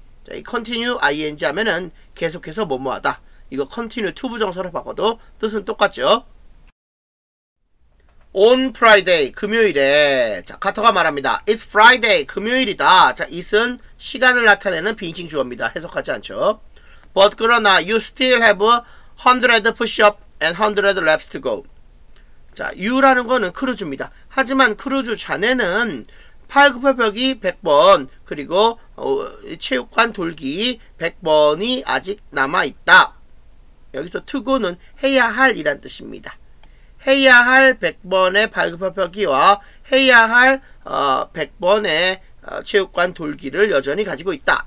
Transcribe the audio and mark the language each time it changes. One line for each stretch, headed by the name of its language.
Korean: 자, 이 continue ing 하면은 계속해서 뭐뭐하다. 이거 continue to 부정사로 바꿔도 뜻은 똑같죠.
English: On Friday,
Korean: 금요일에. 자, 카터가 말합니다.
English: It's Friday,
Korean: 금요일이다. 자, it은 시간을 나타내는 비인칭 주어입니다. 해석하지 않죠.
English: But
Korean: 그러나
English: you still have 100 push-up and 100 reps to go.
Korean: 자, you라는 거는 크루즈입니다. 하지만 크루즈 자네는 팔굽혀펴기 100번, 그리고 체육관 돌기 100번이 아직 남아있다. 여기서 to go는 해야 할 이란 뜻입니다. 해야 할 100번의 발급표기와 해야 할 100번의 체육관 돌기를 여전히 가지고 있다.